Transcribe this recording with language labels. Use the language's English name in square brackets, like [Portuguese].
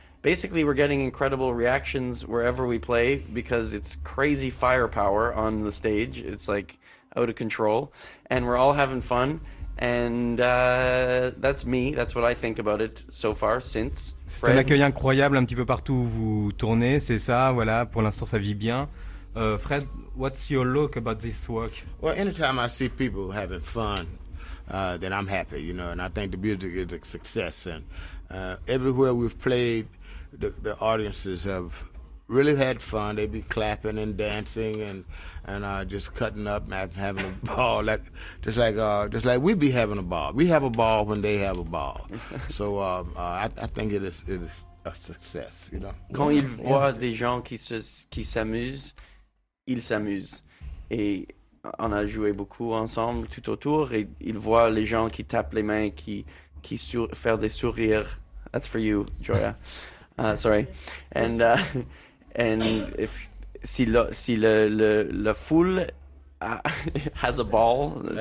[English] Basically, we're getting incredible reactions wherever we play because it's crazy firepower on the stage. It's like out of control. And we're all having fun. And that's me, that's what I think about it so far, since. [French] C'est un accueil incroyable un petit peu partout où vous tournez, c'est ça, voilà, pour l'instant ça vit bien. [English] Fred, what's your look about this work? Well, anytime I see people having fun, then I'm happy, you know, and I think the music is a success. And everywhere we've played, the audiences have really had fun. They'd be clapping and dancing and just cutting up and having a ball, just like we'd be having a ball. We have a ball when they have a ball. So I think it is a success, you know. [French] Quand ils voient des gens qui s'amusent, ils s'amusent. Et on a joué beaucoup ensemble tout autour et ils voient les gens qui tapent les mains, qui faire des sourires. [English] That's for you, Joya. Sorry. And if si la foule has a ball,